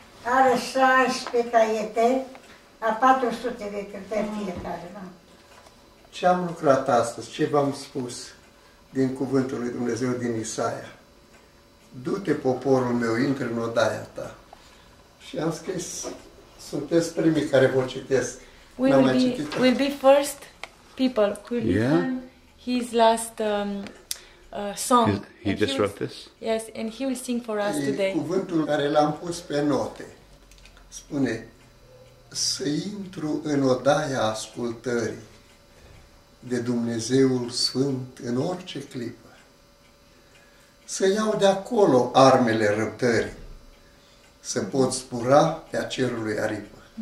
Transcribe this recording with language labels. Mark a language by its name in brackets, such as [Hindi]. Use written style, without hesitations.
[Romanian] Are 16 caiete, a 400 de cânte fiecare. Da. Ce am lucrat astăzi? Ce v-am spus din cuvântul lui Dumnezeu din Isaia? Du-te, poporul meu, intră în odaia ta. Și am scris, sunteți primii care vă citesc. [English] We will be, we'll be first people who will listen his last song. He just wrote this? Yes, and he will sing for us today. [Romanian] Cuvântul care l-am pus pe note spune, să intru în odaia ascultării de Dumnezeul Sfânt în orice clipă, să iau de acolo armele răbdării, să pot spura pe-a cerului aripă.